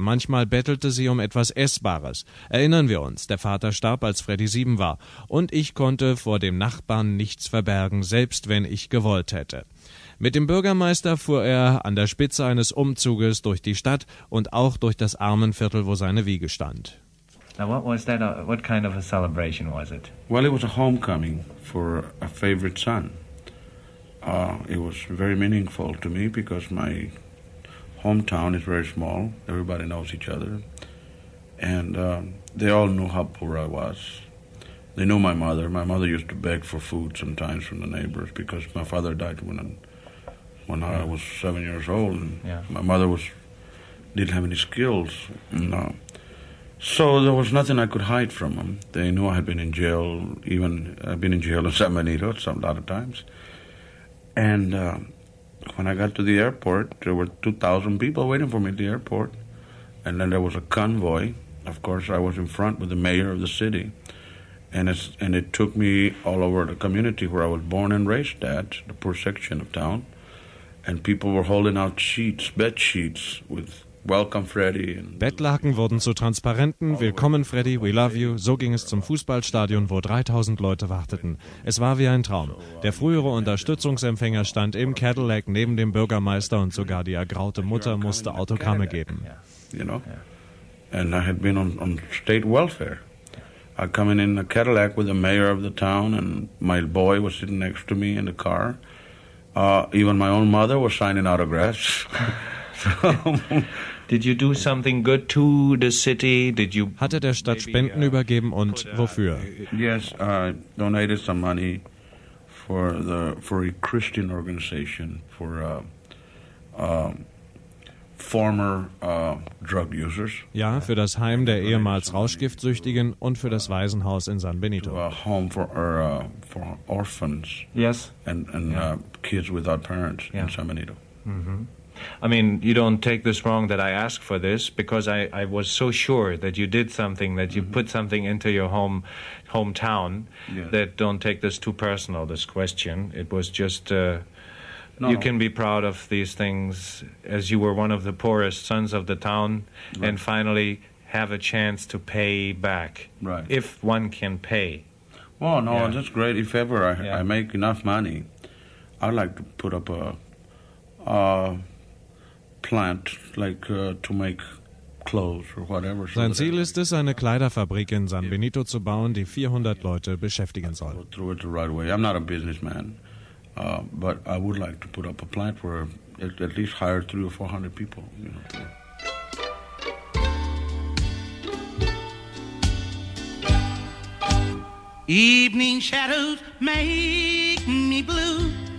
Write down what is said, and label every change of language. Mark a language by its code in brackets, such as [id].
[de] Manchmal bettelte sie um etwas Essbares. Erinnern wir uns, der Vater starb, als Freddie 7 war. Und ich konnte vor dem Nachbarn nichts verbergen, selbst wenn ich gewollt hätte. Mit dem Bürgermeister fuhr er an der Spitze eines Umzuges durch die Stadt und auch durch das Armenviertel, wo seine Wiege stand. [en] Now what was that? What kind of a celebration was it? Well, it was a homecoming for a favorite son. It was very meaningful to me because my hometown is very small. Everybody knows each other, and they all knew how poor I was. They knew my mother. My mother used to beg for food sometimes from the neighbors because my father died when I was 7 years old, and yeah. My mother didn't have any skills. No. So there was nothing I could hide from them. They knew I had been in jail, I'd been in jail in San Benito a lot of times. And when I got to the airport, there were 2,000 people waiting for me at the airport. And then there was a convoy. Of course, I was in front with the mayor of the city. And it took me all over the community where I was born and raised at, the poor section of town. And people were holding out sheets, bed sheets, with "Welcome, Freddy." [de] Bettlaken wurden zu Transparenten. "Willkommen, Freddy. [en] We love you." [de] So ging es zum Fußballstadion, wo 3000 Leute warteten. Es war wie ein Traum. Der frühere Unterstützungsempfänger stand im Cadillac neben dem Bürgermeister und sogar die ergraute Mutter musste Autogramme geben. [en] You know, and I had been on state welfare. I come in a Cadillac with the mayor of the town, and my boy was sitting next to me in the car. Even my own mother was signing autographs. Did you do something good to the city? Did you? [de] Hatte der Stadt Spenden übergeben und wofür? [en] Yes, I donated some money for a Christian organization for former drug users. [de] Ja, für das Heim der ehemals Rauschgiftsüchtigen und für das Waisenhaus in San Benito. [en] A home for orphans. Yes. And yeah. Kids without parents, yeah. In San Benito. Mm-hmm. I mean, you don't take this wrong that I ask for this, because I was so sure that you did something, that you mm-hmm. put something into your hometown. Yes. That don't take this too personal, this question. It was just... No. You can be proud of these things, as you were one of the poorest sons of the town, right. And finally have a chance to pay back, right. If one can pay. Well, no, yeah. That's great. If ever I make enough money, I'd like to put up a plant, like to make clothes or whatever. [de] Sein Ziel ist es, eine Kleiderfabrik in San Benito zu bauen, die 400 Leute beschäftigen soll. [en] I'll throw it the right way. I'm not a businessman. But I would like to put up a plant where at least hire 300 or 400 people. You know. Evening shadows make me blue.